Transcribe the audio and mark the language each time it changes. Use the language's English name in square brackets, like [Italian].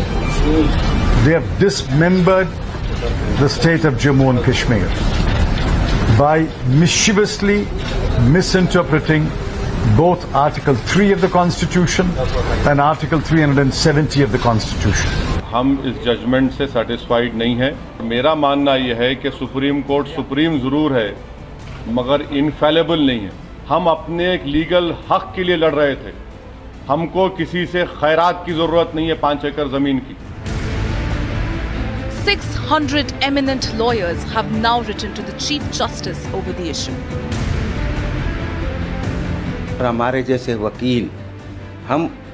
[English] They have dismembered the state of Jammu and Kashmir by mischievously misinterpreting both Article 3 of the Constitution and Article 370 of the Constitution. [Hindi] हम इस judgement से satisfied नहीं हैं। मेरा मानना यह है कि सुप्रीम कोर्ट सुप्रीम जरूर है मगर इनफेलेबल नहीं है। हम अपने एक लीगल हक के लिए लड़ रहे थे, हमको किसी से खैरात की जरूरत नहीं है 5 एकड़ जमीन की। [English] 600 eminent lawyers have now written to the Chief Justice over the issue. [Hindi] हमारे जैसे वकील हम